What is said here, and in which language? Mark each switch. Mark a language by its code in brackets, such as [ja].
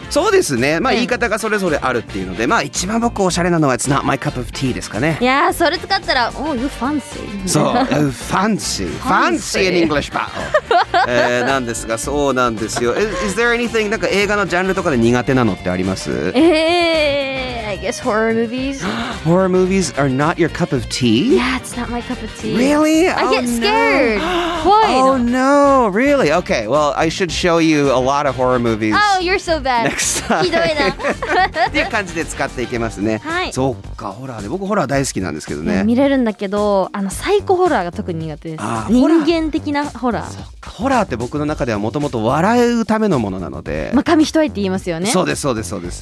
[ja] そうですね、まあ言い方がそれぞれあるっていうので、まあ一番僕おしゃれなのは [en] It's not my cup of tea [ja] ですかね。いやそれ使ったら [en] Oh, you fancy。そう、oh, fancy、 fancy in English battle。 [ja] なんですが、そうなんですよ。 [en] Is there anything、 [ja] なんか映画のジャンルとかで苦手なのってあります？ [en] I guess horror movies。 Horror movies are not your cup of tea? Yeah, it's not my cup of tea. Really? Oh, I get scared. Why? Oh no, really? Okay, well, I should show you a lot of horror movies. Oh, you're so bad. Next time. [ja] ひどいな。っていう感じで使っていけますね。はい。そっか、ホラーね。僕ホラー大好きなんですけどね。見れるんだけど、サイコホラーが特に苦手です。人間的なホラー。そっか、ホラーって僕の中ではもともと笑うためのものなので。まあ、紙一重って言いますよね。そうです、そうです、そうです。